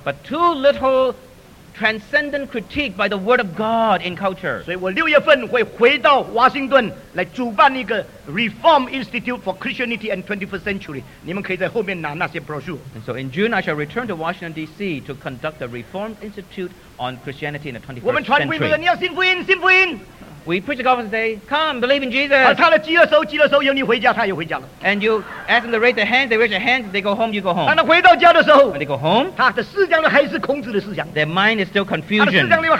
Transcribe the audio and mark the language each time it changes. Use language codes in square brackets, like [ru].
[en] But too little transcendent critique by the word of God in culture. [zh] 所以我6月份会回到华盛顿来主办一个 Reform Institute for Christianity and 21st Century. 你们可以在后面拿那些 brochure. [en] And so in June, I shall return to Washington, D.C. to conduct the Reform Institute on Christianity in the 21st [zh] 我们传福音的人要信福音，信福音。 [en] We preach the gospel and say, come, believe in Jesus. And you ask them to raise their hands, they raise their hands, they go home, you go home. When they go home, their mind is still confusion.